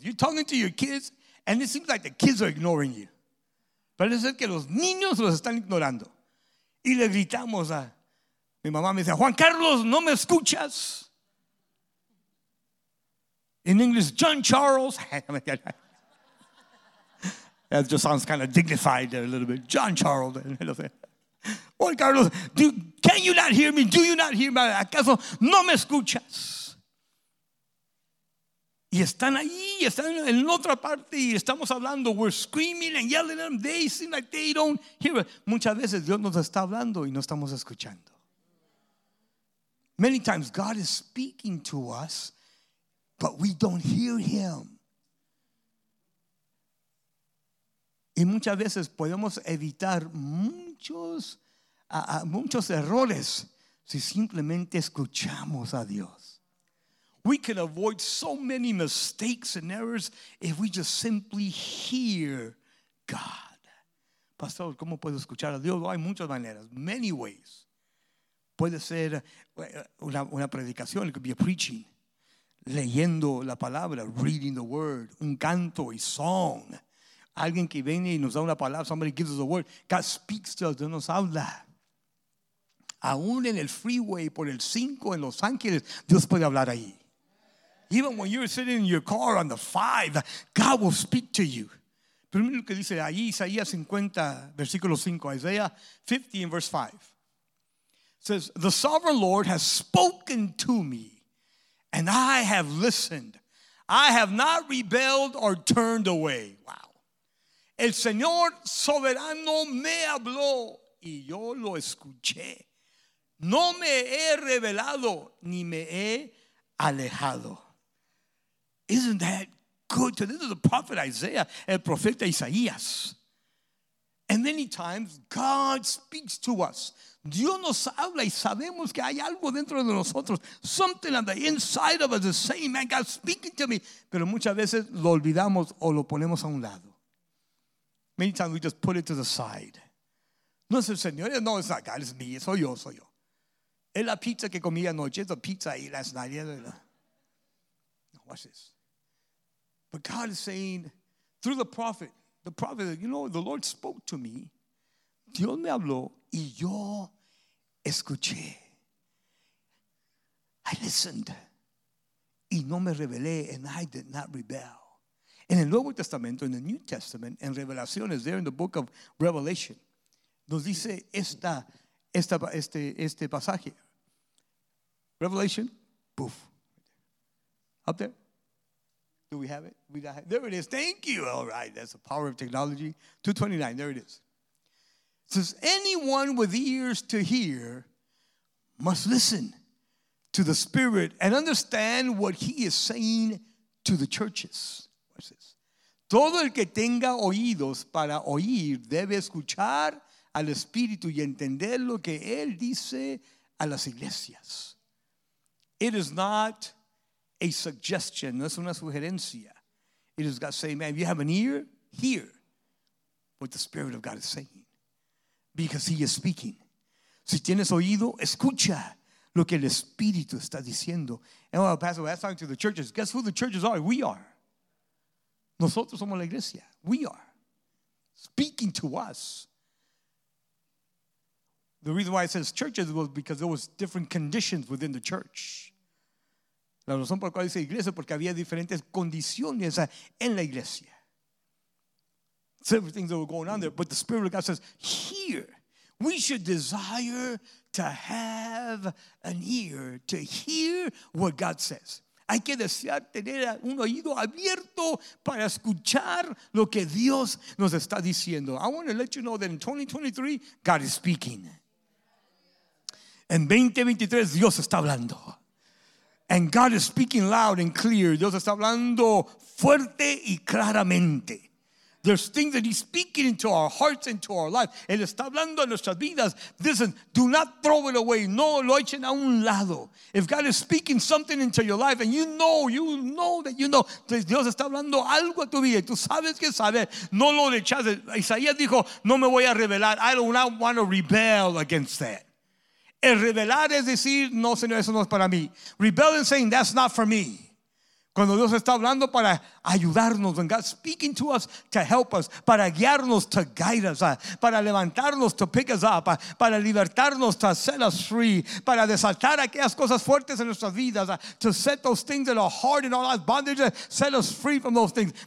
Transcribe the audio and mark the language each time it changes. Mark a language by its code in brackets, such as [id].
[en] You're talking to your kids, and it seems like the kids are ignoring you. [es] Parece ser que los niños los están ignorando. Y le gritamos a mi mamá, me dice, Juan Carlos, ¿no me escuchas? [en] In English, John Charles. That just sounds kind of dignified there a little bit. John Charles. Juan Carlos, can you not hear me? Do you not hear me? [es] ¿Acaso no me escuchas? Y están ahí, están en otra parte y estamos hablando. [en] We're screaming and yelling at them. They seem like they don't hear us. [es] Muchas veces Dios nos está hablando y no estamos escuchando. [en] Many times God is speaking to us, but we don't hear him. [es] Y muchas veces podemos evitar muchos errores si simplemente escuchamos a Dios. [en] We can avoid so many mistakes and errors if we just simply hear God. [es] Pastor, ¿cómo puedo escuchar a Dios? Hay muchas maneras, [en] many ways. [es] Puede ser una predicación, [en] it could be a preaching, [es] leyendo la palabra, [en] reading the word, [es] un canto, [en] a song. [es] Alguien que viene y nos da una palabra, [en] somebody gives us a word. God speaks to us, [es] Dios nos habla. Aún en el freeway, por el 5 en Los Ángeles, Dios puede hablar ahí. [en] Even when you're sitting in your car on the 5, God will speak to you. [es] Pero mira lo que dice ahí, Isaías 50, versículo 5, [en] Isaiah 50 and verse 5. says, the sovereign Lord has spoken to me, and I have listened. I have not rebelled or turned away. Wow. [es] El Señor soberano me habló, y yo lo escuché. No me he revelado, ni me he alejado. [en] Isn't that good? This is the prophet Isaiah, [es] el profeta Isaías. [en] And many times, God speaks to us. [es] Dios nos habla y sabemos que hay algo dentro de nosotros. [en] Something on the inside of us is saying, man, God's speaking to me. [es] Pero muchas veces lo olvidamos o lo ponemos a un lado. [en] Many times we just put it to the side. [es] No es el Señor. [en] No, it's not God. It's me. [es] Soy yo. Es la pizza que comí anoche. Es la pizza ahí [en] last night. Now watch this. But God is saying, through the prophet, you know, the Lord spoke to me. [es] Dios me habló. Y yo escuché. [en] I listened. [es] Y no me rebelé. [en] And I did not rebel. [es] En el Nuevo Testamento, en el [en] New Testament, [es] en Revelaciones, [en] there in the book of Revelation, [es] nos dice este pasaje. [en] Revelation, poof. Up there. Do we have it? There it is. Thank you. All right. That's the power of technology. 229. There it is. Says anyone with ears to hear must listen to the Spirit and understand what he is saying to the churches. Watch this. [es] Todo el que tenga oídos para oír debe escuchar al Espíritu y entender lo que él dice a las iglesias. [en] It is not a suggestion. [es] No es una sugerencia. [en] It is God saying, man, if you have an ear, hear what the Spirit of God is saying. Because he is speaking. [es] Si tienes oído, escucha lo que el Espíritu está diciendo. [en] And well, Pastor, that's talking to the churches. Guess who the churches are? We are. [es] Nosotros somos la iglesia. [en] We are. Speaking to us. The reason why it says churches was because there was different conditions within the church. [es] La razón por la cual dice iglesia, porque había diferentes condiciones en la iglesia. [en] Several things that were going on there. But the Spirit of God says, hear. We should desire to have an ear, to hear what God says. [es] Hay que desear tener un oído abierto para escuchar lo que Dios nos está diciendo. [en] I want to let you know that in 2023, God is speaking. [es] En 2023, Dios está hablando. [en] And God is speaking loud and clear. [es] Dios está hablando fuerte y claramente. [en] There's things that he's speaking into our hearts, into our life. [es] Él está hablando en nuestras vidas. [en] Listen, do not throw it away. [es] No lo echen a un lado. [en] If God is speaking something into your life and you know that. [es] Dios está hablando algo a tu vida. Tú sabes que sabes. No lo rechaces. Isaías dijo, no me voy a rebelar. [en] I do not want to rebel against that. [es] El rebelar es decir, no, Señor, eso no es para mí. [en] Rebel and saying, that's not for me. [es] Cuando Dios está hablando para ayudarnos, [en] when God's speaking to us to help us, [es] para guiarnos, [en] to guide us, [es] para levantarnos, [en] to pick us up, [es] para libertarnos, [en] to set us free, [es] para desatar aquellas cosas fuertes en nuestras vidas, [en] to set those things that are hard in our lives, bondage, set us free from those things.